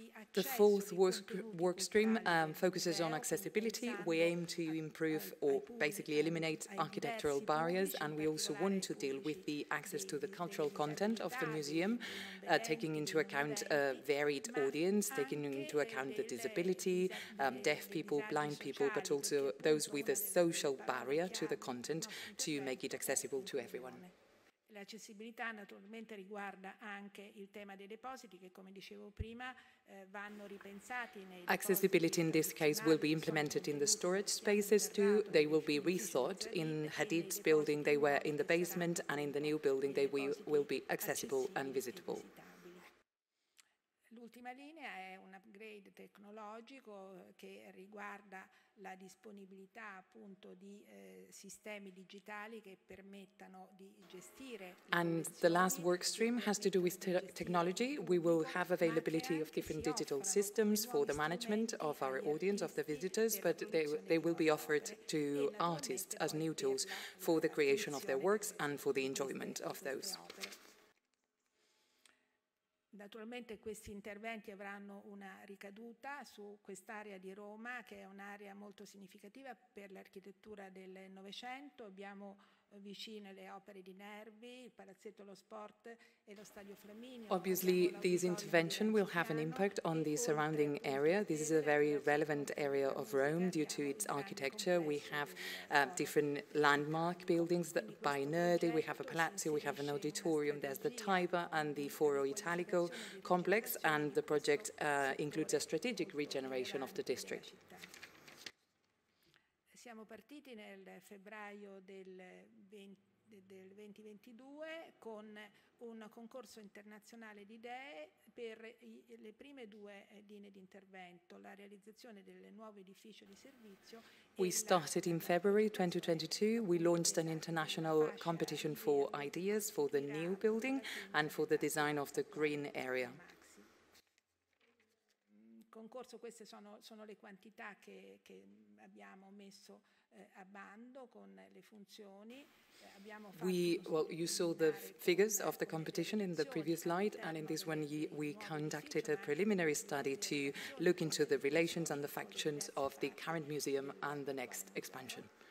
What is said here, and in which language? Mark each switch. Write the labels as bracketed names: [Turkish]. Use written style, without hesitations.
[English] The fourth work stream focuses on accessibility. We aim to improve or basically eliminate architectural barriers, and we also want to deal with the access to the cultural content of the museum, taking into account a varied audience, taking into account the disability, deaf people, blind people, but also those with a social barrier to the content, to make it accessible to everyone. [Italian] L'accessibilità naturalmente riguarda anche il tema dei depositi che, come dicevo prima, vanno ripensati nei. [English] Accessibility in this case will be implemented in the storage spaces too. They will be rethought. In Hadid's building they were in the basement, and in the new building they will be accessible and visitable. [Italian] L'ultima linea è un upgrade tecnologico che riguarda la disponibilità appunto di sistemi digitali che permettano di gestire. [English] And the last work stream has to do with technology. We will have availability of different digital systems for the management of our audience, of the visitors, but they will be offered to artists as new tools for the creation of their works and for the enjoyment of those. [Italian] Naturalmente questi interventi avranno una ricaduta su quest'area di Roma, che è un'area molto significativa per l'architettura del Novecento. Abbiamo vicine le opere di Nervi, il Palazzetto dello Sport e lo Stadio Flaminio. [English] Obviously this intervention will have an impact on the surrounding area. This is a very relevant area of Rome due to its architecture. We have different landmark buildings that by Nervi, we have a palazzo, we have an auditorium, there's the Tiber and the Foro Italico complex, and the project includes a strategic regeneration of the district. [Italian] Siamo partiti nel febbraio del 2022 con un concorso internazionale di idee per le prime due linee di intervento, la realizzazione del nuovo edificio di servizio. [English] We started in February 2022. We launched an international competition for ideas for the new building and for the design of the green area. [Italian] Concorso, queste sono le quantità che abbiamo messo a bando con le funzioni. [English] You saw the figures of the competition in the previous slide, and in this one we conducted a preliminary study to look into the relations and the factions of the current museum and the next expansion.